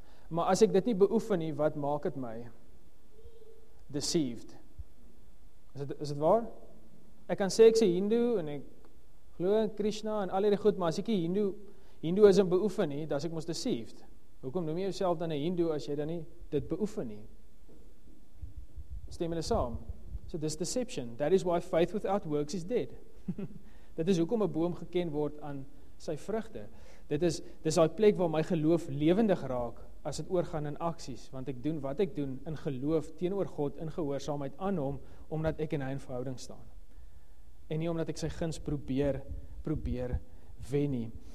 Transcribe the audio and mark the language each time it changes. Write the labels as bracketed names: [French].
[Afrikaans] Maar as ek dit nie beoefen nie, wat maak het my? Deceived. Is dit waar? Ek kan sê ek is 'n Hindu en ek glo in Krishna en al hierdie goed, maar as ek nie Hinduism beoefen nie, dan is ek mos deceived. Hoekom noem jy jouself dan 'n Hindu as jy dan nie dit beoefen nie? Stem hulle saam? [English] So this deception, that is why faith without works is dead. [Afrikaans] Dit is hoekom 'n boom geken word aan sy vrugte. Dit is daai plek waar my geloof lewendig raak as dit oorgaan in aksies, want ek doen wat ek doen in geloof teenoor God in gehoorsaamheid aan hom omdat ek in hy in verhouding staan. En nie omdat ek sy guns probeer wen nie.